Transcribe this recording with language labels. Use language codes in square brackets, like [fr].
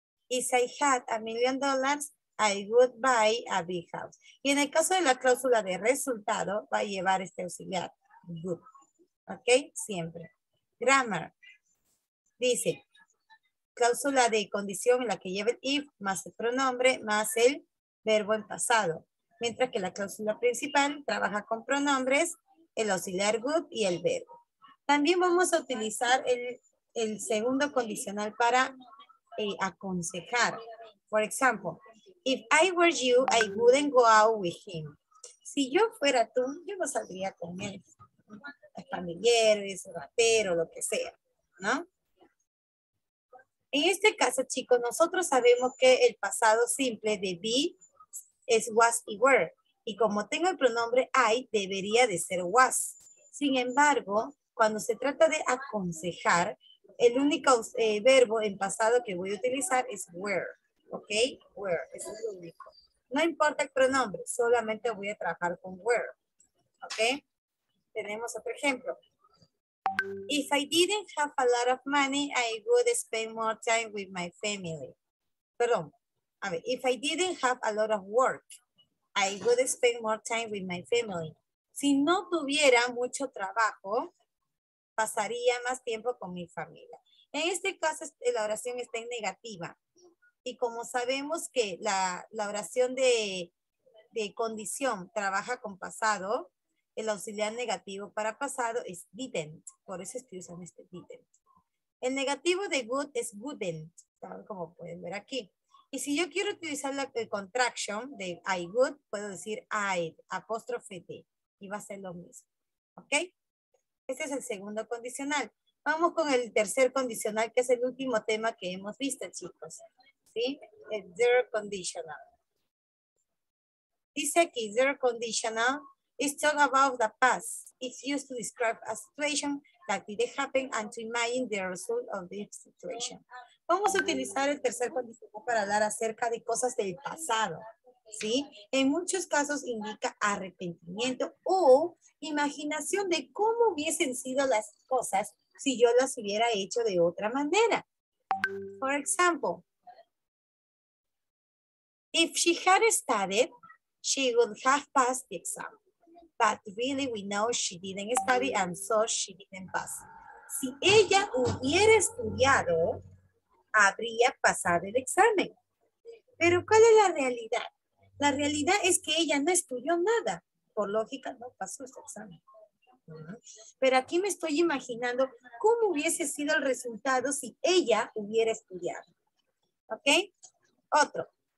[en] If I had $1,000,000, I would buy a big house. [es] Y en el caso de la cláusula de resultado, va a llevar este auxiliar. [en] Good. ¿Ok? [es] Siempre. [en] Grammar. [es] Dice, cláusula de condición en la que lleva el if, más el pronombre, más el verbo en pasado. Mientras que la cláusula principal trabaja con pronombres, el auxiliar good y el verbo. También vamos a utilizar el segundo condicional para aconsejar. Por ejemplo, [en] if I were you, I wouldn't go out with him. [es] Si yo fuera tú, yo no saldría con él. Es familiar, es ratero, lo que sea, ¿no? En este caso, chicos, nosotros sabemos que el pasado simple de be es was y were. Y como tengo el pronombre I, debería de ser was. Sin embargo, cuando se trata de aconsejar, el único verbo en pasado que voy a utilizar es were. ¿Ok? Were. Es el único. No importa el pronombre, solamente voy a trabajar con were. ¿Ok? Tenemos otro ejemplo. [en] If I didn't have a lot of money, I would spend more time with my family. [es] Perdón. A ver. [en] If I didn't have a lot of work, I would spend more time with my family. [es] Si no tuviera mucho trabajo, pasaría más tiempo con mi familia. En este caso, la oración está en negativa. Y como sabemos que la oración de condición trabaja con pasado, el auxiliar negativo para pasado es didn't. Por eso estoy usando este didn't. El negativo de would es wouldn't, tal como pueden ver aquí. Y si yo quiero utilizar el contraction de I would, puedo decir I'd, apóstrofe D. Y va a ser lo mismo. ¿Ok? Este es el segundo condicional. Vamos con el tercer condicional, que es el último tema que hemos visto, chicos. ¿Sí? El third conditional. Dice aquí, [en] third conditional is talk about the past. It's used to describe a situation that did happen and to imagine the result of the situation. [es] Vamos a utilizar el tercer condicional para hablar acerca de cosas del pasado. ¿Sí? En muchos casos indica arrepentimiento o imaginación de cómo hubiesen sido las cosas si yo las hubiera hecho de otra manera. [en] For example, if she had studied, she would have passed the exam. But really we know she didn't study and so she didn't pass. [es] Si ella hubiera estudiado, habría pasado el examen. Pero ¿cuál es la realidad? La realidad es que ella no estudió nada. Por lógica, no pasó este examen. Pero aquí me estoy imaginando cómo hubiese sido el resultado si ella hubiera estudiado. ¿Ok? Otro.